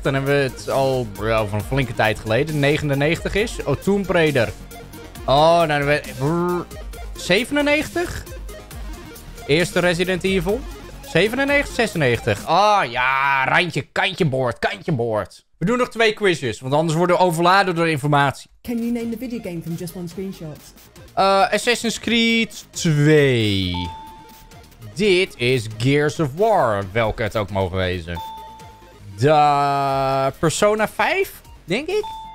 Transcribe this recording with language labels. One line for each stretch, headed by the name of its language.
Dutch: Dan hebben we het al over een flinke tijd geleden. 99 is. Oh, Tomb Raider. Oh, nou, 97? Eerste Resident Evil. 97, 96. Oh ja, randje, kantje boord, kantje boord. We doen nog twee quizjes, want anders worden we overladen door informatie.
English: Can you name the video game from just one screenshot? Assassin's Creed 2.
Dutch: Dit is Gears of War, welke het ook mogen wezen. De Persona 5, denk ik?